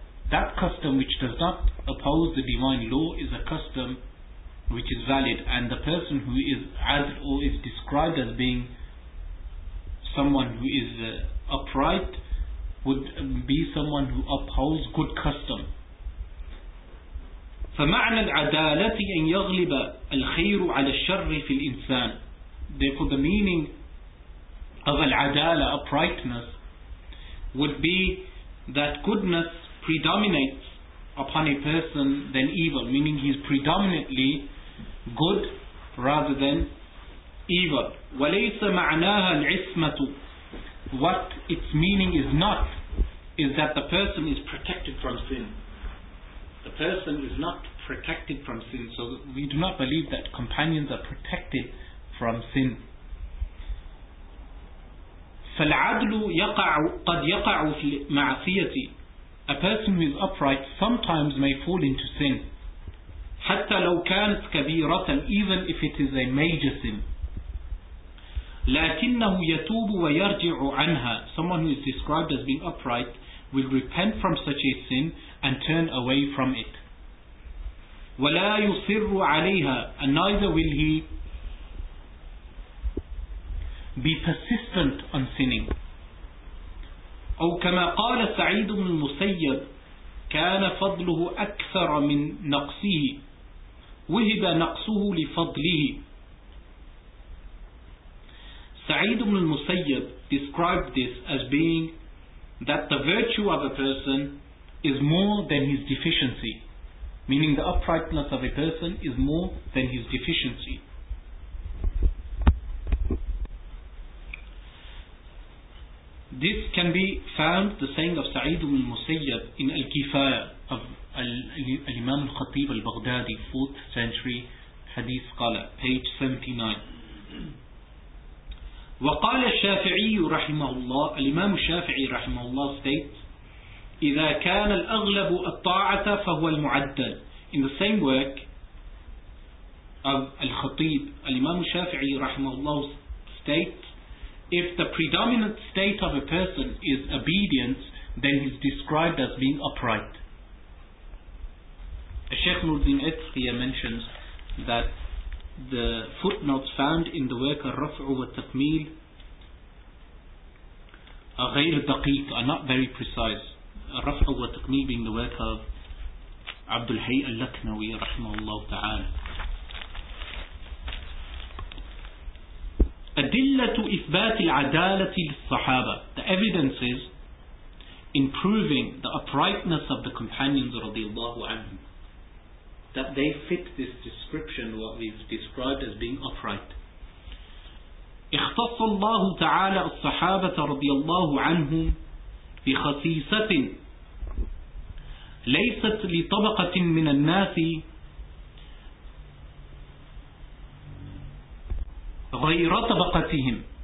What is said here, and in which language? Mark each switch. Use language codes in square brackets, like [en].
[en] That custom which does not oppose the divine law is a custom which is valid, and the person who is adl, or is described as being someone who is upright, would be someone who upholds good custom. [ar] فمعنى العدالة أن يغلب الخير على الشر في الإنسان. [en] Therefore the meaning of العدالة, uprightness, would be that goodness predominates upon a person than evil, meaning he is predominantly good rather than evil. [ar] وليس معناها العصمة. [en] What its meaning is not, is that the person is protected from sin. The person is not protected from sin. So we do not believe that companions are protected from sin. [ar] فالعدل يقع قد يقع في معصيتي. [en] A person who is upright sometimes may fall into sin. [ar] حتى لو كانت كبيرة, [en] even if it is a major sin. [ar] لكنه يتوب ويرجع عنها. [en] Someone who is described as being upright will repent from such a sin and turn away from it. [ar] ولا يصر عليها, [en] and neither will he be persistent on sinning. [ar] أو كما قال سعيد بن المسيب كان فضله أكثر من نقصه وهب نقصه لفضله. [en] سعيد بن المسيب described this as being that the virtue of a person is more than his deficiency, meaning the uprightness of a person is more than his deficiency. This can be found, the saying of Sa'id ibn al-Musayyab, in Al-Kifaya of Al-Imam al-Khatib al-Baghdadi, 4th century Hadith scholar, page 79. [ar] وقال الشافعي رحمه الله, Al-Imam al-Shafi'i رحمه الله states, إذا كان الأغلب الطاعة فهو المعدل. [en] In the same work of Al-Khatib, Al-Imam al-Shafi'i رحمه الله states, if the predominant state of a person is obedience, then he is described as being upright. Sheikh Nuruddin Itqiyah mentions that the footnotes found in the work Al-Raf'u wa Takmeel are [ar] غير دقيق, [en] are not very precise. Al-Raf'u wa Takmeel being the work of Abdul Hay al-Laknawi rahimahullah ta'ala. [ar] أدلة إثبات العدالة للصحابة. [en] The evidences in proving the uprightness of the companions رضي الله عنهم, that they fit this description what we've described as being upright. [ar] اختص الله تعالى الصحابة رضي الله عنهم بخصيصة ليست لطبقة من الناس غير طبقتهم.